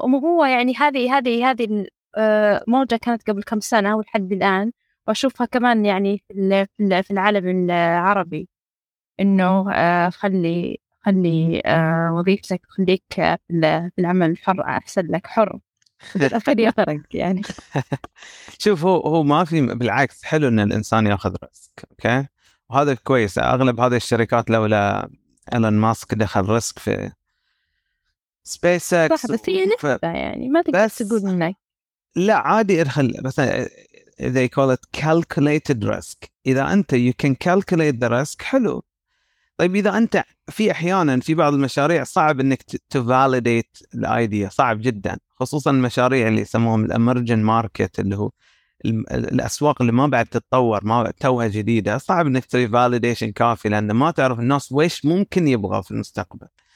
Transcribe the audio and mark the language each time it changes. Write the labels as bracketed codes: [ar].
[ar] هو يعني هذه موجة كانت قبل كم سنة والحد الآن، وأشوفها كمان يعني في العالم العربي، انه خلي وظيفتك، خليك في العمل الحر احسن لك، حر في فرق يعني. شوف هو ما في، بالعكس حلو ان الانسان ياخذ ريسك، اوكي، وهذا كويس. اغلب هذه الشركات لولا ايلون ماسك دخل ريسك في سبيس اكس، بس هي نسبة يعني ما تقدر تقول انك لا عادي ادخل. مثلا [en] they call it calculated risk، [ar] اذا انت [en] you can calculate the risk [ar] حلو. طيب إذا أنت في أحياناً في بعض المشاريع صعب أنك تفاليديت الأيديا، صعب جداً، خصوصاً المشاريع اللي يسموهم الأمرجن ماركت اللي هو الأسواق اللي ما بعد تتطور، ما توها جديدة، صعب أنك تسوي فاليديشن كافي لأن ما تعرف الناس ويش ممكن يبغى في المستقبل.